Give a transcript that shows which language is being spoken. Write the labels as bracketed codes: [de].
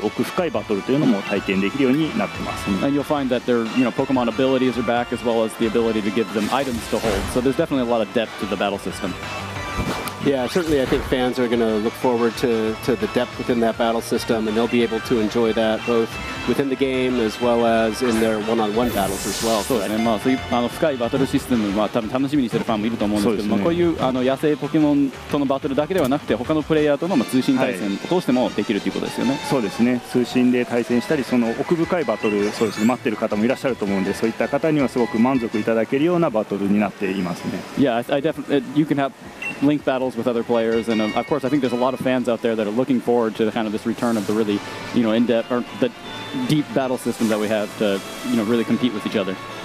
[ja] ポケモンごとに特性があったり、道具を持たせることもできますので、かなり奥深いバトルというのも体験できるようになってます。And [en] you'll find that their, you know, Pokemon abilities are back, as well as the ability to give them items to hold. So there's definitely a lot of depth to the battle system. Yeah, certainly I think fans are going to look forward to the depth within that battle system, and they'll be able to enjoy that both within the game as well as in their one-on-one battles as well. [ja] そうですね。まあ、そういう深いバトルシステムも多分楽しみにしてるファンもいると思うんですけど、こういう野生ポケモンとのバトルだけではなくて、他のプレイヤーとの通信対戦を通してもできるということですよね。そうですね。通信で対戦したり、その奥深いバトル、そうですね、待ってる方もいらっしゃると思うんで、そういった方にはすごく満足いただけるようなバトルになっていますね。 [en] Yeah, I definitely you can have link battles with other players, and of course I think there's a lot of fans out there that are looking forward to kind of the really, you know, in-depth or the deep battle system that we have to, you know, really compete with each other.